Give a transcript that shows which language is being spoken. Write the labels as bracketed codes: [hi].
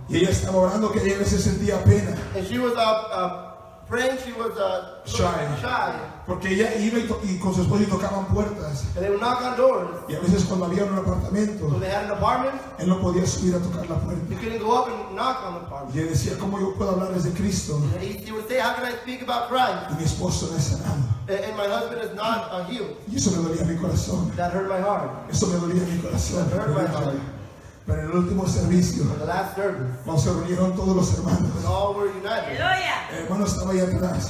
[es] Y ella estaba orando que ella se sentía pena. [en] And she was praying, she was shy. [es] Porque ella iba y con su esposo tocaban puertas. [en] And they would knock on doors. [es] Y a veces cuando había un apartamento, [en] so they had an apartment, [es] él no podía subir a tocar la puerta. [en] He couldn't go up and knock on the apartment. [es] Y él decía, ¿cómo yo puedo hablar desde Cristo? [en] And he would say, how can I speak about Christ? [es] Y mi esposo no es sanado. [en] And my husband is not healed. [es] Y eso me dolía mi corazón. [en] That hurt my heart. [es] Eso me dolía mi corazón. [en] That hurt my heart. [es] Pero en el último servicio, [en] the last service, [es] cuando se reunieron todos los hermanos, [en] and all were united, [es] el hermano estaba ahí atrás,